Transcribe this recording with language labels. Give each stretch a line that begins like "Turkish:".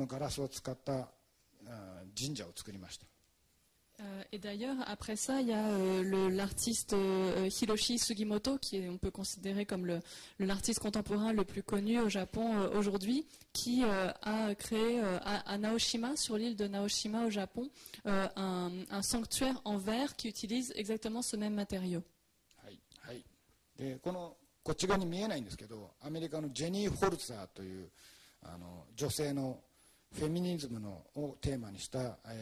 Japanese: 次にあの、この後に杉本博さんという、博杉本というモダンアートの日本の一番有名な人がいるんですけど、その人が直島、日本の直島にあの、このガラスを使った神社を作りました。
French: Et d'ailleurs, après ça, il y a l'artiste Hiroshi Sugimoto, qui est, on peut considérer comme l'artiste contemporain le plus connu au Japon aujourd'hui, qui a créé à Naoshima, sur l'île de Naoshima au Japon, un sanctuaire en verre qui utilise exactement ce même matériau.
Japanese: はい、はい。で、こっち側に見えないんですけど、アメリカのジェニー・ホルツァーという、あの、女性のフェミニズムのをテーマにした